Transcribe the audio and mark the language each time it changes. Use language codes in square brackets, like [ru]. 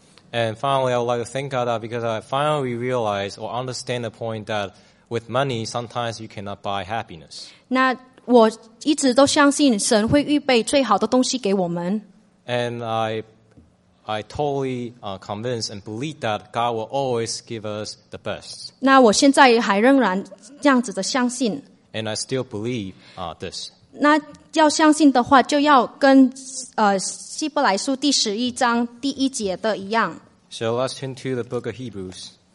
[en] And finally, I would like to thank God because I finally realized or understand the point that with money, sometimes you cannot buy happiness. [zh] 那我一直都相信神会预备最好的东西给我们。 [en] And I totally convinced and believe that God will always give us the best. [zh] 那我现在还仍然这样子的相信。 [en] And I still believe this. [zh] 那要相信的话，就要跟希伯来书第十一章第一节的一样。 [en] So let's turn to the book of Hebrews.